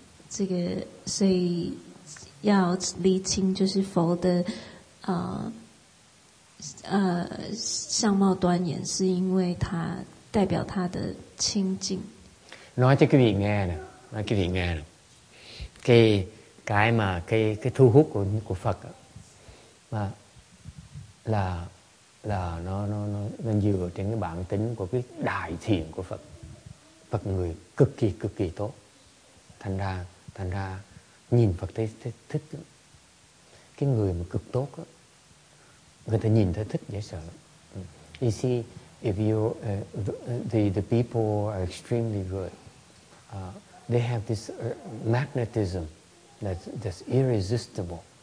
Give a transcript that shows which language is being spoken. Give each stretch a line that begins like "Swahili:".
Chinese: 这个所以要厘清，就是佛的相貌端严，是因为他代表他的清净。
Vietnamese: Nói cho quý vị nghe nè, cái thu hút của Phật mà là là nó dựa trên cái bản tính của cái đại thiện của Phật. Phật người cực kỳ tốt. Thành ra nhìn Phật thấy thích. Cái người mà cực tốt đó, người ta nhìn thấy thích dễ sợ.
English: You see, if you the people are extremely good, they have this magnetism that's irresistible.